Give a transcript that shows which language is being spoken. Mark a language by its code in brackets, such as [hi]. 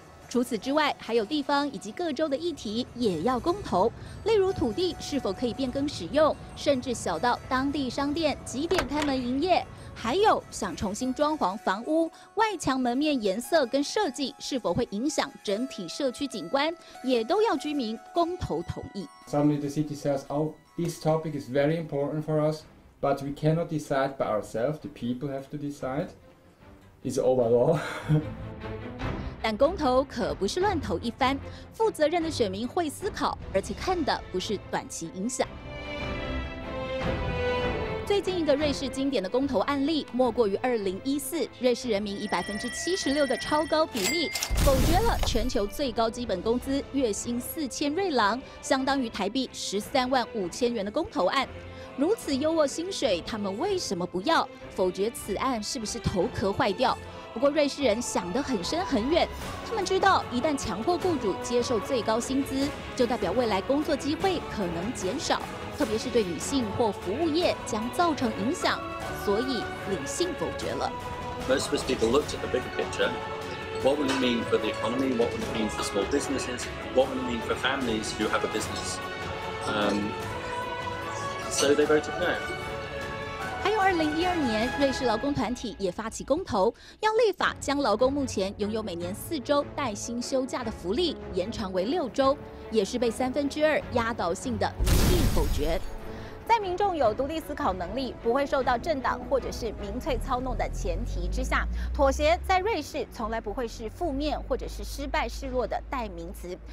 [zh] 除此之外，还有地方以及各州的议题也要公投，例如土地是否可以变更使用，甚至小到当地商店几点开门营业，还有想重新装潢房屋，外墙门面颜色跟设计是否会影响整体社区景观，也都要居民公投同意。 [en] Suddenly the city says, "Oh, this topic is very important for us, but we cannot decide by ourselves. The people have to decide. It's over law." [zh] 但公投可不是乱投一番，负责任的选民会思考，而且看的不是短期影响。最近一个瑞士经典的公投案例，莫过于2014，瑞士人民以76%的超高比例，否决了全球最高基本工资月薪4000瑞郎，相当于台币135000元的公投案。如此优渥薪水，他们为什么不要？否决此案是不是头壳坏掉？不过瑞士人想得很深很远，他们知道一旦强迫雇主接受最高薪资，就代表未来工作机会可能减少，特别是对女性或服务业将造成影响，所以理性否决了。 [en] Most of us people looked at the bigger picture. What would it mean for the economy? What would it mean for small businesses? What would it mean for families who have a business? So they voted no. [zh] 还有2012年，瑞士劳工团体也发起公投，要立法将劳工目前拥有每年4周带薪休假的福利延长为6周，也是被1/3压倒性的民意否决。在民众有独立思考能力，不会受到政党或者是民粹操弄的前提之下，妥协在瑞士从来不会是负面或者是失败示弱的代名词。